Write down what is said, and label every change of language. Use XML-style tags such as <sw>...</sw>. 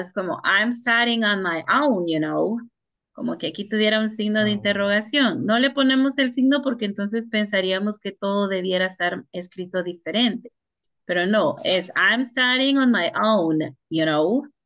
<es>Es como</es> <en>I'm starting on my own, you know.</en> <es>Como que aquí tuviera un signo de interrogación. No le ponemos el signo porque entonces pensaríamos que todo debiera estar escrito diferente. Pero no, es</es> <en>I'm starting on my own, you know.</en>